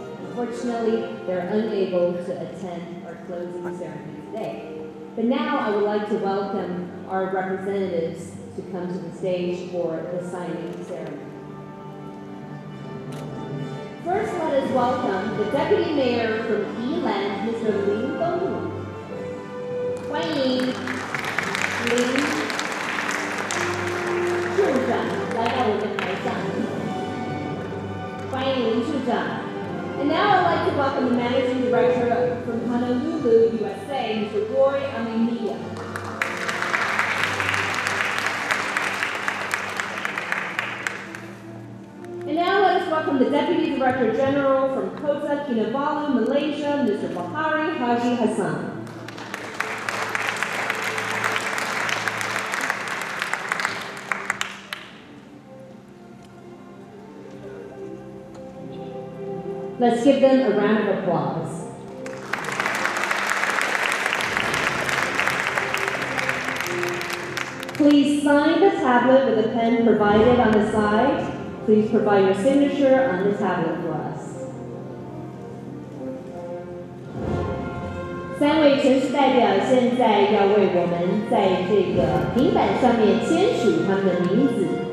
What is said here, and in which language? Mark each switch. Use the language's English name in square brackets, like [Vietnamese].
[English] Unfortunately, they're unable to attend our closing ceremony today. But now I would like to welcome our representatives to come to the stage for the signing ceremony. First, let us welcome the Deputy Mayor from Yiland, Mr. Lin Fenglong. [Chinese] 欢迎林处长来到我们的台上。欢迎林处长。 [English] And now I'd like to welcome the Managing Director from Honolulu, USA, Mr. Roy Amemiya. And now let's welcome the Deputy Director General from Kota Kinabalu, Malaysia, Mr. Bahari Haji Hassan. Let's give them a round of applause. Please sign the tablet with the pen provided on the side. Please provide your signature on the tablet for us. [Chinese] 三位全市代表现在要为我们在这个平板上面签署他们的名字。